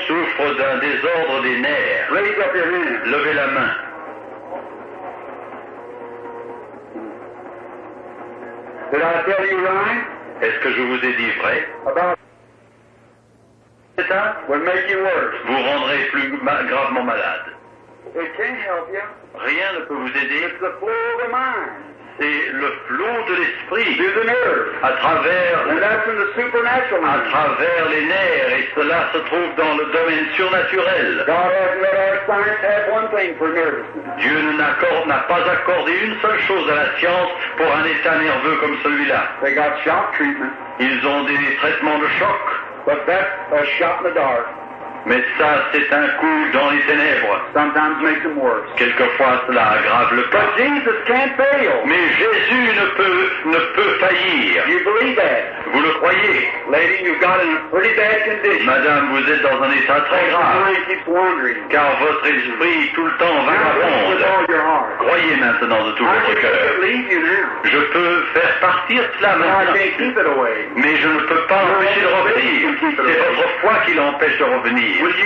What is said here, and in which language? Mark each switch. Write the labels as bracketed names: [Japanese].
[French] Souffrent d'un désordre des nerfs. [English] Raise up your hand. [French] Levez la main. [English] Did I tell you right? [French] Est-ce que je vous ai dit vrai? [English] About it will make you worse. [French] Vous rendrez plus gravement malade. [English] It can't help you. [French] Rien ne peut vous aider. [English] It's the flow of the mind. [French] C'est le flot de l'esprit [English] the nerve. [French] À travers [English] And that's in the supernatural. [French] À travers les nerfs, et cela se trouve dans le domaine surnaturel. [English] God has let our science have one thing for nerves. [French] Dieu n'a pas accordé une seule chose à la science pour un état nerveux comme celui-là. [English] They got shock treatment. [French] Ils ont des traitements de choc. [English] But that's a shot in the dark. [French] Mais ça, c'est un coup dans les ténèbres. [English] Sometimes makes them worse. [French] Quelquefois, cela aggrave le cas. [English] But Jesus can't fail. [French] Mais Jésus ne peut faillir. [English] You believe that? [French] Vous le croyez? [English] Lady, you've got in a pretty bad condition. [French] Madame, vous êtes dans un état très grave. Car votre esprit tout le temps vagabonde. Croyez maintenant de tout votre cœur. Je peux faire partir cela maintenant. Mais je ne peux pas empêcher de revenir. C'est votre foi qui l'empêche de revenir.